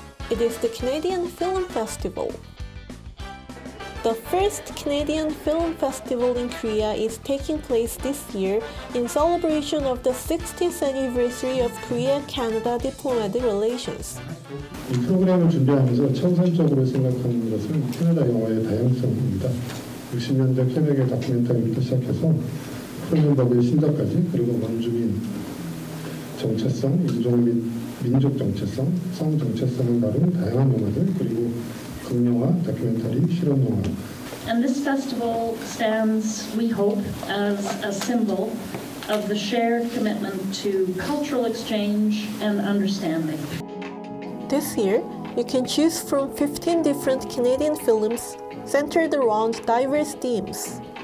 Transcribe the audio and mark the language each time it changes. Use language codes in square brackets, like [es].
[en] It is the Canadian Film Festival. The first Canadian Film Festival in Korea is taking place this year in celebration of the 60th anniversary of Korea-Canada diplomatic relations. [ko] 이 프로그램을 준비하면서 청산적으로 생각하는 것은 캐나다 영화의 다양성입니다. 60년대 캐나다 다큐멘터리부터 시작해서 프로젠더블의 신작까지 그리고 원주민 정체성, 인종 및 민족 정체성, 성 정체성을 다룬 다양한 영화들 그리고 극영화, 다큐멘터리, 실험영화. [en] And this festival stands, we hope, as a symbol of the shared commitment to cultural exchange and understanding. This year, you can choose from 15 different Canadian films centered around diverse themes.